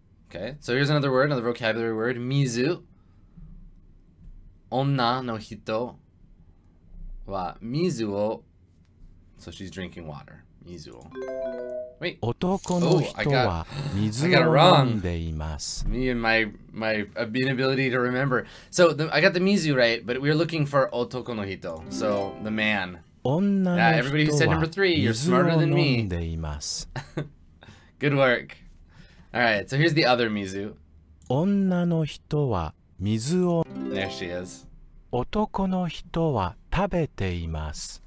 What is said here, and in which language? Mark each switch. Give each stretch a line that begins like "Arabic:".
English: Okay, so here's another word, another vocabulary word, mizu.
Japanese: Onnanohito wa mizuo.
English: So she's drinking water. Mizuo. Wait. Oh, I got it wrong.
Japanese: "男の人は水を飲んでいます."
English: Me and my inability to remember. So I got the mizu right, but we're looking for otoko no hito. So the man. Yeah, everybody who said number three, you're smarter than me.
Japanese: "男の人は水を飲んでいます."
English: Good work. All right, so here's the other mizu.
Japanese: 女の人は水を...
English: There she is.
Japanese: 男の人は食べています。